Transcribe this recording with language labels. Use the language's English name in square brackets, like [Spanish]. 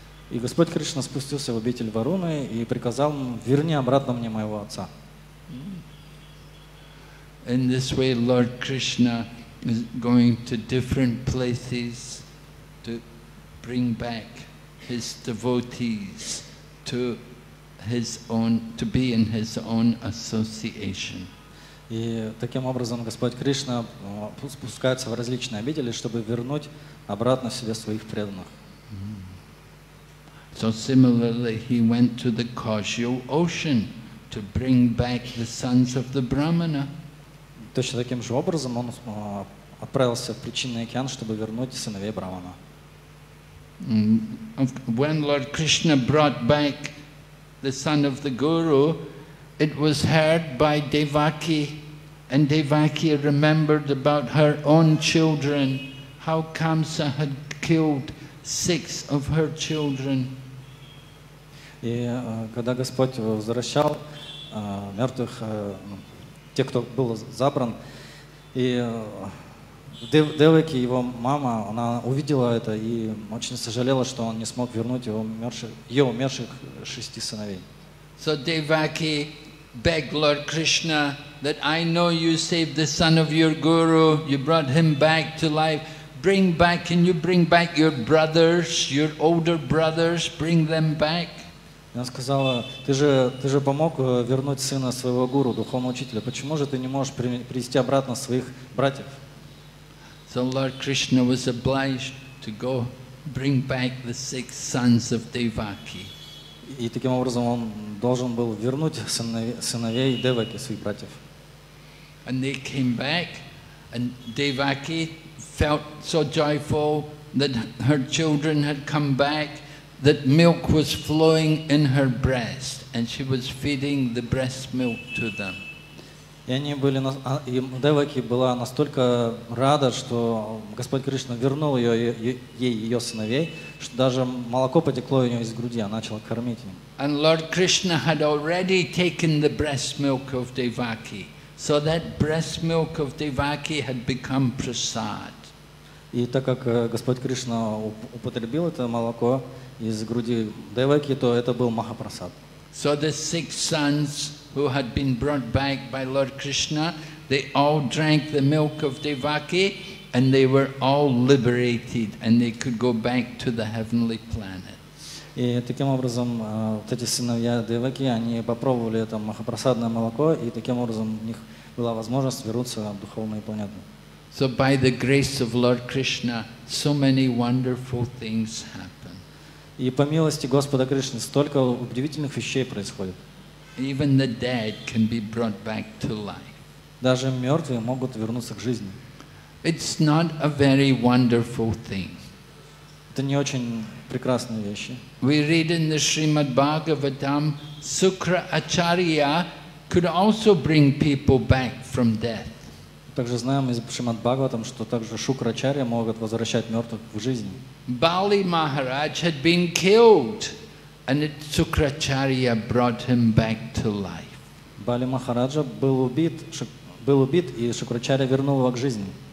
[Russian] И Господь Кришна спустился в обитель Варуны и приказал ему, верни обратно мне моего отца. [English] In this way, Lord Krishna is going to different places to bring back his devotees. To his own, to be in his own association. [Russian] И таким образом Господь Кришна спускается в различные обители, чтобы вернуть обратно себе своих преданных. [English] So similarly, he went to the causal ocean to bring back the sons of the Brahmana. [Russian] Точно таким же образом он отправился в причинный океан, чтобы вернуть сыновей Брахмана. [English] When Lord Krishna brought back the son of the Guru, it was heard by Devaki, and Devaki remembered about her own children, how Kamsa had killed six of her children. [Russian] И когда Господь возвращал мертвых, тех, кто был забран, и Девеки, его мама, она увидела это и очень сожалела, что он не смог вернуть ее умерших шести сыновей. [English] So Devaki begged Lord Krishna that I know you saved the son of your guru, you brought him back to life. Bring back, can you bring back your brothers, your older brothers, bring them back. [Russian] Она сказала, ты же помог вернуть сына своего гуру, духовного учителя, почему же ты не можешь привести обратно своих братьев? [English] So Lord Krishna was obliged to go bring back the six sons of Devaki. [Russian] И таким образом он должен был вернуть сыновей Деваки, своих братьев. [English] And they came back, and Devaki felt so joyful that her children had come back, that milk was flowing in her breast, and she was feeding the breast milk to them. [Russian] И они были, и Деваки была настолько рада, что Господь Кришна вернул ее, ей ее сыновей, что даже молоко потекло у нее из груди, она начала кормить им. [English] And Lord Krishna had already taken the breast milk of Devaki, so that breast milk of Devaki had become prasad. [Russian] И так как Господь Кришна употребил это молоко из груди Деваки, то это был махапрасад. [English] So the six sons who had been brought back by Lord Krishna, they all drank the milk of Devaki, and they were all liberated, and they could go back to the heavenly planet. [Russian] И таким образом, вот эти сыновья Деваки, они попробовали это махапрасадное молоко, и таким образом у них была возможность вернуться на духовную планету. [English] So by the grace of Lord Krishna, so many wonderful things happen. [Russian] И по милости Господа Кришны столько удивительных вещей происходит. [English] Even the dead can be brought back to life. [Russian] Даже мертвые могут вернуться к жизни. [English] It's not a very wonderful thing. [Russian] Это не очень прекрасные вещи. [English] We read in the Srimad Bhagavatam, Sukra Acharya could also bring people back from death. [Russian] Также знаем из Шримад Бхагаватам, что также Шукра Ачарья могут возвращать мертвых в жизнь. [English] Бали Махарадж had been killed. And Shukracharya brought him back to life. [Russian] Бали Махараджа был убит, и Шукрачарья вернул его к жизни.